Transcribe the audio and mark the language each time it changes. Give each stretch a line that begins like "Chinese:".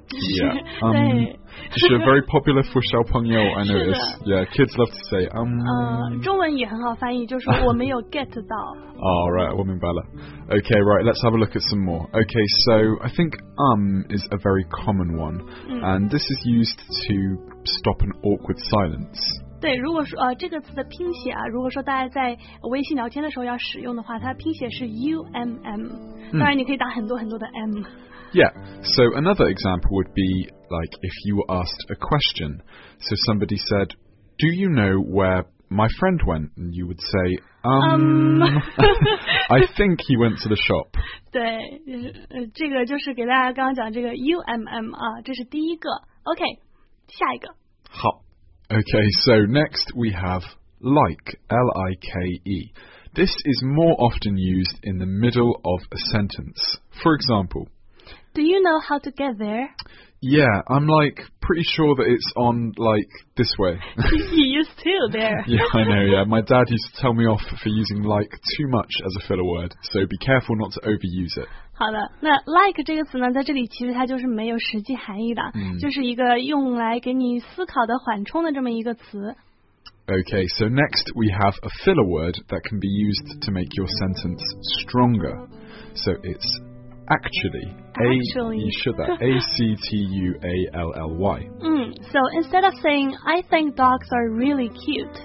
English: Yeah,
Chinese: 就是
English: very popular for
Chinese: 小朋友
English: I know this. Yeah, kids love to say,
Chinese: 中文也很好翻译，就是我没有 get 到。
English: All right,
Chinese: 我明白了。
English: Okay, right, let's have a look at some more. Okay, so I think is a very common one, and this is used to stop an awkward silence.
Chinese: 对，如果说这个词的拼写啊，如果说大家在微信聊天的时候要使用的话，它的拼写是 UMM。当然，你可以打很多很多的 M。
English: Yeah, so another example would be like if you were asked a question. So somebody said, "Do you know where my friend went?" And you would say, I think he went to the shop.
Chinese: 对，这个就是给大家刚刚讲这个 UMM 啊，这是第一个。 OK, 下一个。
English: 好。Okay, so next we have like, L-I-K-E. This is more often used in the middle of a sentence. For example, Do you know how to get there? Yeah, I'm like pretty sure that it's on like this way. He used to there. Yeah, I know, yeah. My dad used to tell me off for using like too much as a filler word, so be careful not to overuse it.
Chinese: 好的，那 like 这个词呢，在这里其实它就是没有实际含义的，就是一个用来给你思考的缓冲的这么一个词。
English: Okay, so next we have a filler word that can be used to make your sentence stronger. So it's actually. Actually. You should that. A-C-T-U-A-L-L-Y. So instead of saying, I think dogs are really cute.